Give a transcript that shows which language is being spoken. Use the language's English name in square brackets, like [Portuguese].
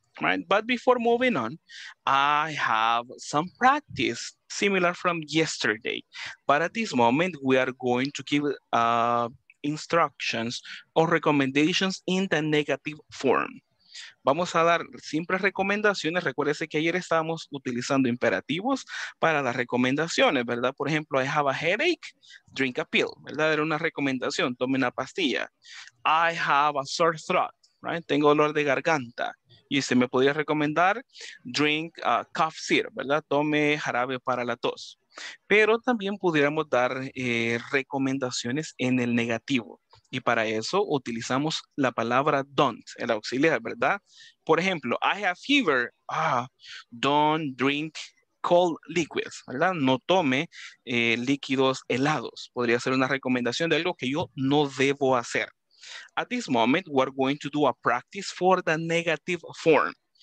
[English] Right, but before moving on, I have some practice similar from yesterday. But at this moment, we are going to give instructions or recommendations in the negative form. [Spanish] Vamos a dar simples recomendaciones. Recuérdese que ayer estábamos utilizando imperativos para las recomendaciones, ¿verdad? Por ejemplo, [English] I have a headache, drink a pill, [Spanish] ¿verdad? Era una recomendación, tome una pastilla. [English] I have a sore throat, right? [Spanish] Tengo dolor de garganta. Y se me podría recomendar [English] drink cough syrup, [Spanish] ¿verdad? Tome jarabe para la tos. Pero también pudiéramos dar recomendaciones en el negativo. Y para eso utilizamos la palabra don't, el auxiliar, ¿verdad? Por ejemplo, [English] I have fever. Don't drink cold liquids, ¿verdad? [Spanish] No tome líquidos helados. Podría ser una recomendación de algo que yo no debo hacer. [English] At this moment, we're going to do a practice for the negative form.